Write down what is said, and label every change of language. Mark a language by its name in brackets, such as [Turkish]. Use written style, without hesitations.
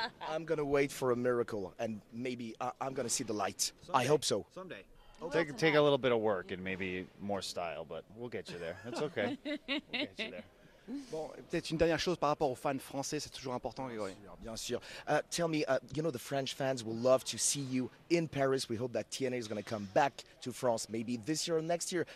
[English] I'm going to wait for a miracle and maybe I'm going to see the light. Someday. I hope so. Someday. Take a little bit of work and maybe more style, but we'll get you there. It's okay. We'll get you there. [French] Bon, peut-être une dernière chose par rapport aux fans français, c'est toujours important, Grégory. Bien sûr. [English] Tell me, you know, the French fans will love to see you in Paris. We hope that TNA is going to come back to France, maybe this year or next year.